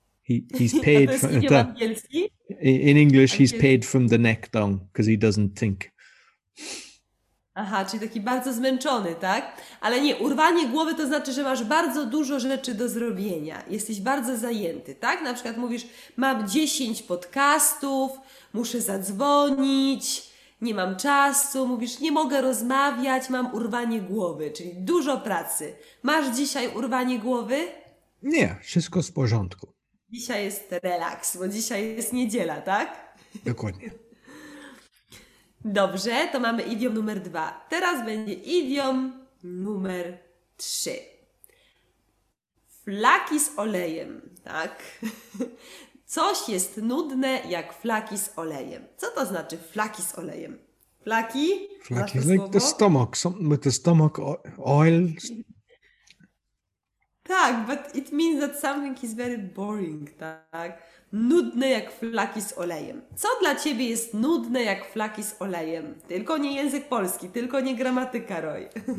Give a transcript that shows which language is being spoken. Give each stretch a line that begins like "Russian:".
English: He's paid from in English, he's paid from the neck down because he doesn't think.
Polish: Aha, czyli taki bardzo zmęczony, tak? Ale nie, urwanie głowy to znaczy, że masz bardzo dużo rzeczy do zrobienia. Jesteś bardzo zajęty, tak? Na przykład mówisz, mam 10 podcastów, muszę zadzwonić, nie mam czasu. Mówisz, nie mogę rozmawiać, mam urwanie głowy, czyli dużo pracy. Masz dzisiaj urwanie głowy? Nie, wszystko z porządku. Dzisiaj jest relaks, bo dzisiaj jest niedziela, tak? Dokładnie. Dobrze, to mamy idiom numer dwa. Teraz będzie idiom numer trzy. Flaki z olejem, tak? Coś jest nudne jak flaki z olejem. Co to znaczy flaki z olejem? Flaki?
English: Flaki, like the stomach, something with the stomach oil. Tak, but it means that something is very boring, tak?
Polish: Nudne jak flaki z olejem. Co dla ciebie jest nudne jak flaki z olejem? Tylko nie język polski, tylko nie gramatyka, Roy.